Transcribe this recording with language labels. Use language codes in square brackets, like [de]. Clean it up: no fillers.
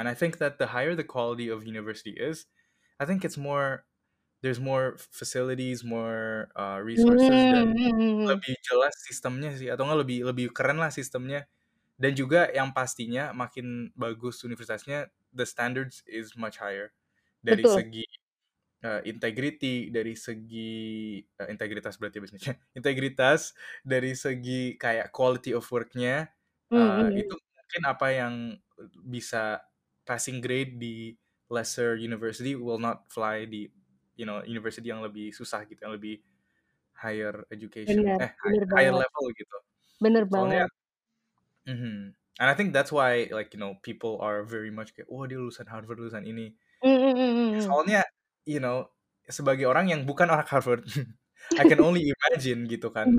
[en] And I think that the higher the quality of university is, I think it's more, there's more facilities, more resources, [id] dan lebih jelas sistemnya sih. Atau nggak lebih keren lah sistemnya. Dan juga yang pastinya makin bagus universitasnya, [en] the standards is much higher. [id] Dari segi integrity, dari segi integritas berarti bisnisnya. Integritas, dari segi kayak quality of work-nya, itu mungkin apa yang bisa passing grade di lesser university [en] will not fly [id] di, you know, university yang lebih susah gitu, yang lebih higher education. [en] Higher level gitu. [id] Bener banget. Soalnya, [en] And I think that's why, like, you know, people are very much kayak, oh, [id] dia lulusan Harvard, lulusan ini. Soalnya, you know, sebagai orang yang bukan orang Harvard, [en] I can only imagine [id] gitu kan.